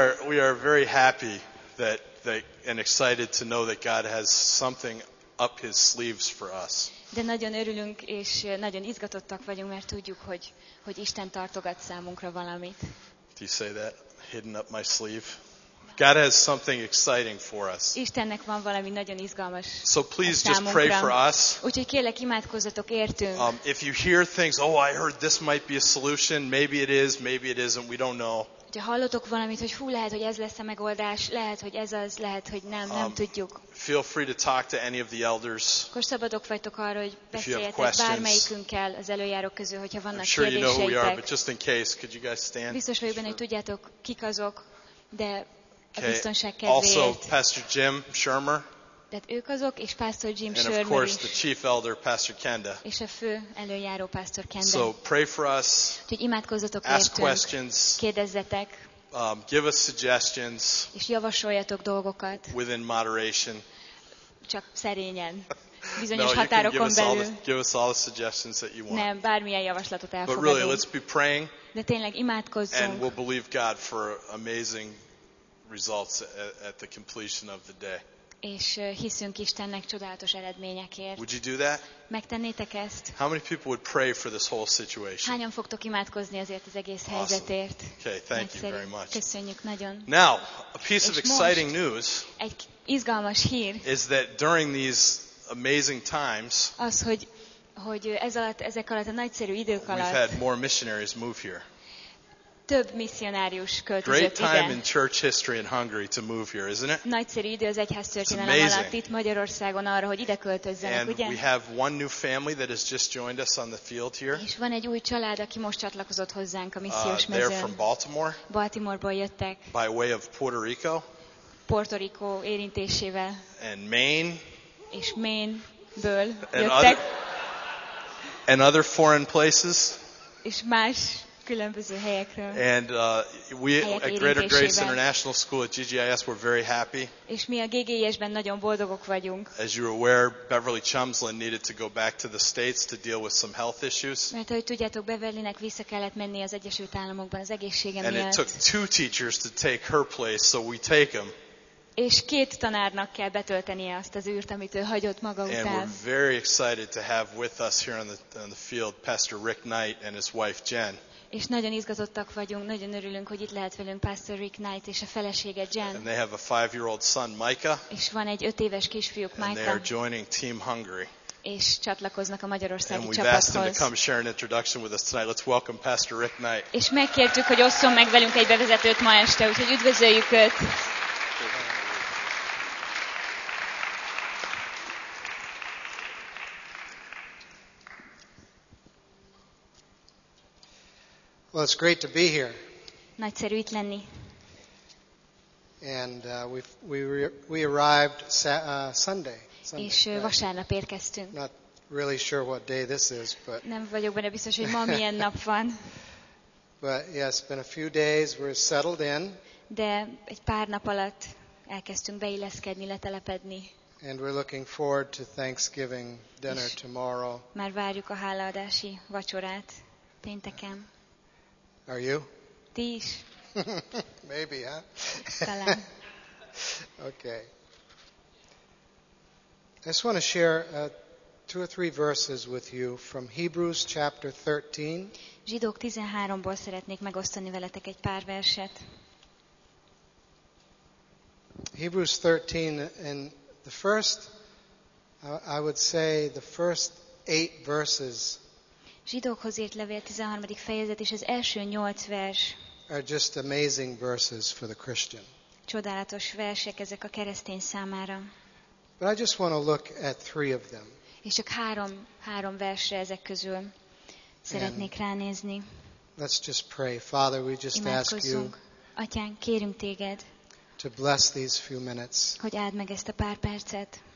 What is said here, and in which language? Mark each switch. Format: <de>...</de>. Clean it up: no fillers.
<en>we are very happy that and excited to know that God has something up his sleeves for us.</en> <hu>De nagyon örülünk és nagyon izgatottak vagyunk, mert tudjuk, hogy Isten tartogat számunkra valamit.</hu> <en>Do you say that? Hidden up my sleeve. God has something exciting for us.</en> <hu>Istennek van valami nagyon izgalmas.</hu> <en>So please just pray for us.</en> <hu>Úgyhogy kérlek, imádkozzatok értünk.</hu> <en>If you hear things, I heard this might be a solution, maybe it is, maybe it isn't, we don't know.</en> <hu>Ha hallotok valamit, hogy hú, lehet, hogy ez lesz a megoldás, lehet, hogy ez az, lehet, hogy nem tudjuk.</hu> <en>Feel free to talk to any of the elders.</en> <hu>Akkor szabadok vagytok arra, hogy beszéljetek bármelyikünkkel az előjárók közül, hogyha vannak kérdéseitek.</hu> <en>Sure, you know who we are, but just in case, could you guys stand?</en> <hu>Biztos vagyok benne, hogy tudjátok, kik azok, de a biztonság kedvéért.</hu> <en>Also, Pastor Jim Shermer.</en> <hu>Tehát ők azok, és Pastor Jim Shermer is.</hu> <en>And of course, the chief elder, Pastor Kenda.</en> <hu>És a fő előjáró, Pastor Kenda.</hu> <en>So pray for us.</en> <hu>Úgyhogy imádkozzatok értünk.</hu> <en>Ask questions.</en> <hu>Kérdezzetek.</hu> <en>Give us suggestions.</en> <hu>És javasoljatok dolgokat.</hu> <en>Within moderation.</en> <hu>Csak szerényen. Bizonyos határokon belül.</hu> <en>Give us all the suggestions that you want.</en> <hu>Nem, bármilyen javaslatot elfogadunk.</hu> <en>But really, let's be praying.</en> <hu>De tényleg imádkozzunk.</hu> <en>And we'll believe God for amazing results at the completion of the day.</en> <hu>És hiszünk Istennek csodálatos eredményekért.</hu> <en>Would you do that?</en> <hu>Megtennétek ezt?</hu> <en>How many people would pray for this whole situation?</en> <hu>Hányan fogtok imádkozni azért az egész helyzetért?</hu> <en>Okay, thank you very much.</en> <hu>Köszönjük nagyon.</hu> <en>Now, a piece of exciting news.</en> <hu>Egy izgalmas hír.</hu> <en>Is that during these amazing times?</en> <hu>Az, hogy ezek alatt a nagyszerű idők alatt.</hu> <en>We've had more missionaries move here.</en> <hu>Több missionárius költözött.</hu> <en>Great time in church history in Hungary to move here, isn't it?</en> <hu>Nagyszerű idő az egyház történelem alatt itt Magyarországon arra, hogy ide költözzenek,</hu> <en>and</en> <hu>ugye?</hu> <en>We have one new family that has just joined us on the field here.</en> <hu>És van egy új család, aki most csatlakozott hozzánk a missziós mezőn.</hu> <en>They're from Baltimore.</en> <hu>Baltimoreból jöttek.</hu> <en>By way of Puerto Rico.</en> <hu>Puerto Rico érintésével.</hu> <en>And Maine.</en> <hu>És Maine-ből jöttek.</hu> <en>And other foreign places.</en> <hu>És más különböző helyekről.</hu> <en>And we at Greater Grace International School at GGIS we're very happy.</en> <hu>És mi a GGIS-ben nagyon boldogok vagyunk.</hu> <en>As you're aware, Beverly Chumsland needed to go back to the States to deal with some health issues.</en> <hu>Mert ahogy tudjátok, Beverlynek vissza kellett menni az Egyesült Államokban az egészsége miatt.</hu> <en>And it took two teachers to take her place, so we take them.</en> <hu>És két tanárnak kell betöltenie azt az űrt, amit ő hagyott maga után.</hu> <en>And we're very excited to have with us here on the field Pastor Rick Knight and his wife Jen.</en> <hu>És nagyon izgatottak vagyunk, nagyon örülünk, hogy itt lehet velünk Pastor Rick Knight és a felesége Jen.</hu> <en>And they have a 5-year-old son, Micah.</en> <hu>És van egy 5 éves kisfiúk, Micah.</hu> <en>And they are joining Team Hungary.</en> <hu>És csatlakoznak a magyarországi</hu> <en>and</en> <hu>csapathoz.</hu> <en>And we've asked him to come share an introduction with us tonight. Let's welcome Pastor Rick Knight.</en> <hu>És megkértük, hogy osszon meg velünk egy bevezetőt ma este, úgyhogy üdvözöljük őt.</hu> <en>Well, it's great to be here.</en> <hu>Nagyszerű itt lenni.</hu> <en>And we arrived Sunday.</en> <hu>És vasárnap érkeztünk.</hu> <en>Not really sure what day this is, but.</en> <hu>Nem vagyok benne biztos, hogy ma milyen nap van.</hu> <en>But yes, it's been a few days. We're settled in.</en> <hu>De egy pár nap alatt elkezdtünk beilleszkedni, letelepedni.</hu> <en>And we're looking forward to Thanksgiving dinner tomorrow.</en> <hu>Már várjuk a hálaadási vacsorát pénteken.</hu> <en>Are you?</en> <hu>Ti is.</hu> <en>Maybe, huh?</en> <hu>Talán.</hu> <en>Okay. I just want to share two or three verses with you from Hebrews chapter 13.</en> <hu>Zsidók 13-ból szeretnék megosztani veletek egy pár verset.</hu> <en>Hebrews 13, and the first, I would say, the first 8 verses.</en> <hu>Zsidókhoz írt levél 13. fejezet és az első 8 vers.</hu> <en>Are just amazing verses for the Christian.</en> <hu>Csodálatos versek ezek a keresztény számára.</hu> <en>But I just want to look at 3 of them.</en> <hu>És csak három versre ezek közül szeretnék ránézni.</hu> <en>Let's just pray. Father, we just ask you.</en> <hu>Atyán, kérünk téged.</hu> <en>To bless these few minutes.</en> <hu>Hogy áld meg ezt a pár percet.</hu>